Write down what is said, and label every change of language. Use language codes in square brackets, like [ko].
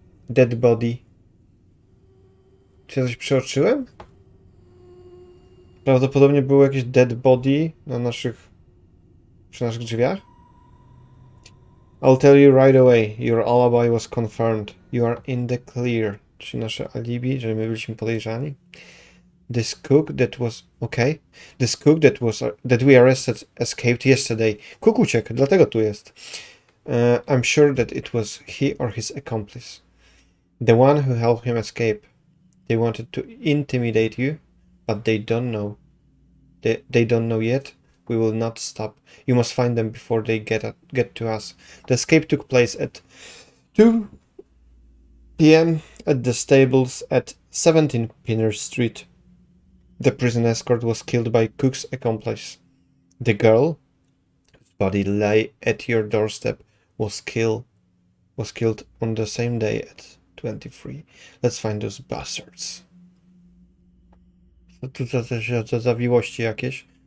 [en] dead body? [pl] Czy coś przeoczyłem? Prawdopodobnie było jakieś [en] dead body [pl] na naszych, przy naszych drzwiach. [en] I'll tell you right away, your alibi was confirmed. You are in the clear. [pl] Czyli nasze alibi, że my byliśmy podejrzani. [en] This cook that was... Okay. This cook that was... That we arrested escaped yesterday. [pl] Cook uciekł, dlatego tu jest. [en] I'm sure that it was he or his accomplice. The one who helped him escape. They wanted to intimidate you, but they don't know. They don't know yet. We will not stop. You must find them before they get to us. The escape took place at 2 p.m. at the stables at 17 Pinner Street. The prison escort was killed by Cook's accomplice. The girl, whose body lay at your doorstep, was killed on the same day at 23. Let's find those bastards. [pl] Co tu za zawiłości jakieś?